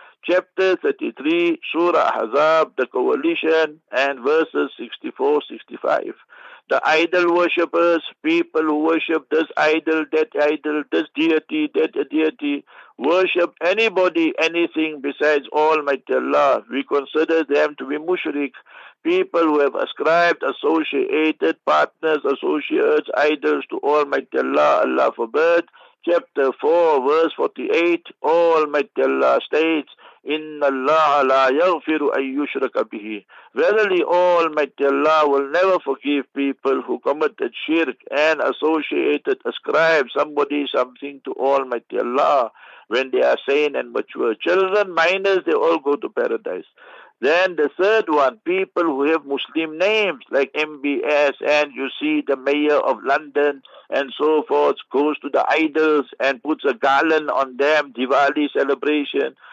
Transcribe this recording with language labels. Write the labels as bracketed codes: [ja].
[en] Chapter 33, Surah Ahzab, the coalition, and verses 64-65. The idol worshippers, people who worship this idol, that idol, this deity, that deity, worship anybody, anything besides Almighty Allah. We consider them to be mushrik. People who have ascribed, associated, partners, associates, idols to Almighty Allah, Allah forbid. Chapter 4, verse 48, Almighty Allah states, [ar] إِنَّ اللَّهَ لَا يَغْفِرُ أَن يُشْرَكَ بِهِ. [en] Verily, Almighty Allah will never forgive people who committed shirk and associated, ascribed somebody, something to Almighty Allah when they are sane and mature. Children, minors, they all go to paradise. Then the third one, people who have Muslim names like MBS and you see the mayor of London and so forth goes to the idols and puts a garland on them, Diwali celebration.